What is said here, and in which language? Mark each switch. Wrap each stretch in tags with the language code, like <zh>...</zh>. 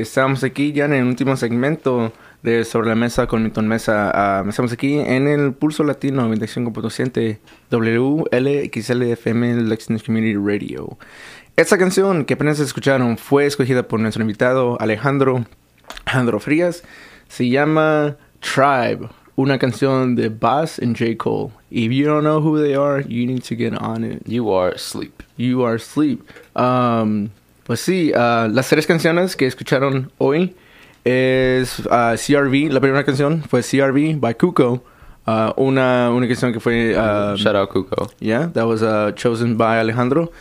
<es>Estamos aquí ya en el último segmento de Sobre la Meza con Milton Meza. Estamos aquí en el Pulso Latino 95.7 WLXLFM Lexington Community Radio. Esta canción que apenas escucharon fue escogida por nuestro invitado Alejandro Frias. Se llama Tribe, una canción de Bass and J. Cole.</es> <en>If you don't know who they are, you need to get on it. You are asleep.</en> <es>Pues sí, las tres canciones que escucharon hoy es CRV. La primera canción fue CRV by Cuco. Una canción que fue...</es> <en>Shout out Cuco. Yeah, that was chosen by Alejandro.</en>